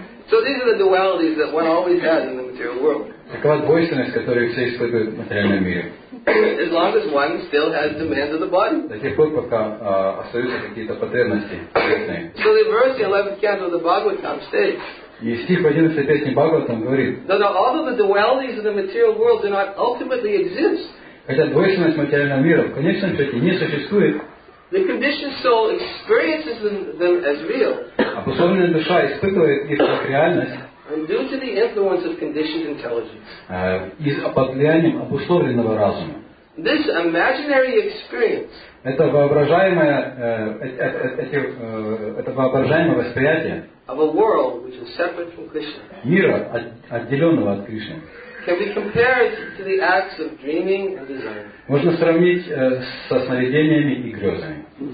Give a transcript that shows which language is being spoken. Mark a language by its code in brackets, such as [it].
[en] So these are the dualities that one always has in the material world. [ru] Такова двойственность, которую все испытывают в материальном мире. [en] As long as one still has demands of the body. [ru] До тех пор, пока остаются какие-то потребности. [en] So the verse in the 11th canto of the Bhagavatam states. [ru] И стих 11 песни Бхагаватам говорит. [en] That all of the dualities of the material world do not ultimately exist. [ru] Хотя двойственность материального мира в конечном счете не существует. [en] The conditioned soul experiences them as real. [ru] Обусловленная душа испытывает их как реальность. [en] And due to the influence of conditioned intelligence. [ru] Под влиянием обусловленного разума. [en] This imaginary experience. [ru] Это воображаемое восприятие. [en] Of a world which is separate from Krishna. [ru] Мира, отделенного от Кришны. [en] Can we compare it to the acts of dreaming and desire? [ru] Можно сравнить со сновидениями и грезами.